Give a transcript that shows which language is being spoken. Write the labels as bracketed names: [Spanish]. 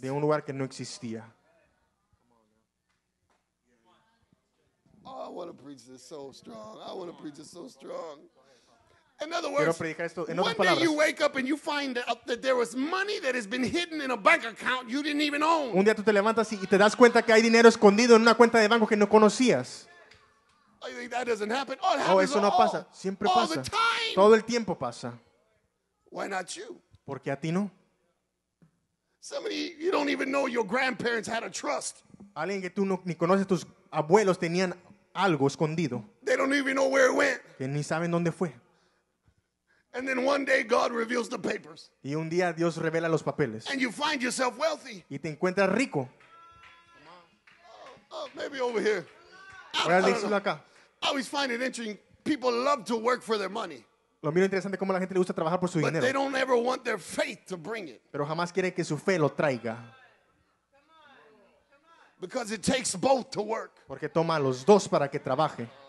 [Spanish] de un lugar que no existía. [English] Oh, I want to preach this so strong. I want to preach this so strong. In other words, one day you wake up and you find out that there was money that has been hidden in a bank account you didn't even own. [Spanish] Un día tú te levantas y te das cuenta que hay dinero escondido en una cuenta de banco que no conocías. [English] I think that doesn't happen. Oh, it happens [Spanish] eso no [English] all, [Spanish] pasa. Siempre [English] all [Spanish] pasa. [English] The time. [Spanish] Todo el tiempo pasa. [English] Why not you? [Spanish] ¿Por qué a ti no? [English] Somebody you don't even know your grandparents had a trust. [Spanish] Alguien que tú no, ni conoces tus abuelos tenían algo escondido. [English] They don't even know where it went. [Spanish] Que ni saben dónde fue. [English] And then one day God reveals the papers. [Spanish] Y un día Dios revela los papeles. [English] And you find yourself wealthy. [Spanish] Y te encuentras rico. [English] Maybe over here. [Spanish] Voy a decirlo acá. [English] I always find it interesting. People love to work for their money. [Spanish] Lo miro interesante cómo la gente le gusta trabajar por su [English] but [Spanish] dinero. [English] But they don't ever want their faith to bring it. [Spanish] Pero jamás quiere que su fe lo traiga. [English] Because it takes both to work. [Spanish] Porque toma a los dos para que trabaje.